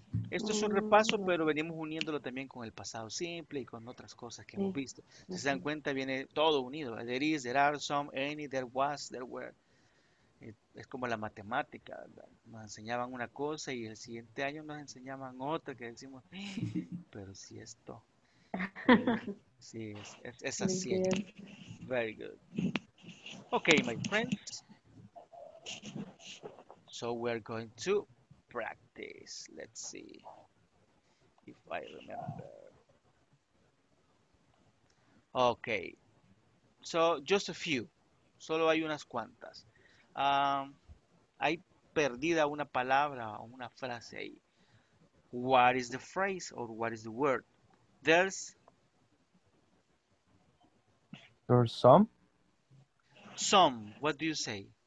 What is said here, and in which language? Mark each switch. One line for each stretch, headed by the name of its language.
Spanish: Esto es un repaso, pero venimos uniéndolo también con el pasado simple y con otras cosas que hemos visto. Si se dan cuenta, viene todo unido.
English: There is, there are, some, any, there was, there were.
Spanish: Es como la matemática, ¿verdad? Nos enseñaban una cosa y el siguiente año nos enseñaban otra que decimos, pero si esto. Sí, es así.
English: Very good. Okay, my friends. So we're going to practice. Let's see if I remember. Okay. So, just a few.
Spanish: Solo hay unas cuantas. Hay perdida una palabra o una frase ahí.
English: What is the phrase or what is the word? There's some. Some. What do you say?